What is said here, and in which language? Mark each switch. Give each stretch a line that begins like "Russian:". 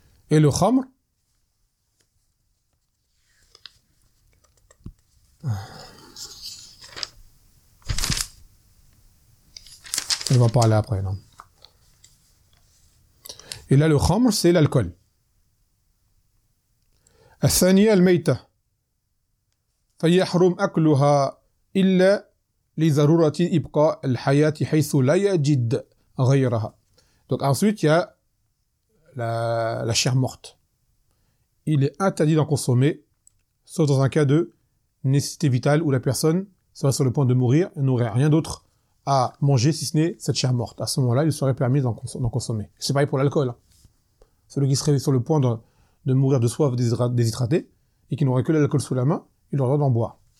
French: Et le khamr, on va en parler après, non? Et là, le khamr, c'est l'alcool.
Arabic: الثانية الميتة فيحرم أكلها إلا لضرورة إبقاء الحياة حيث لا يجد غيرها.
French: Donc ensuite il y a la chair morte. Il est interdit d'en consommer sauf dans un cas de nécessité vitale où la personne serait sur le point de mourir et n'aurait rien d'autre à manger si ce n'est cette chair morte. À ce moment-là, il serait permis d'en consommer. C'est pareil pour l'alcool. Celui qui serait sur le point de mourir de soif déshydraté et qui n'aurait que l'alcool sous la main, il aura le droit d'en boire.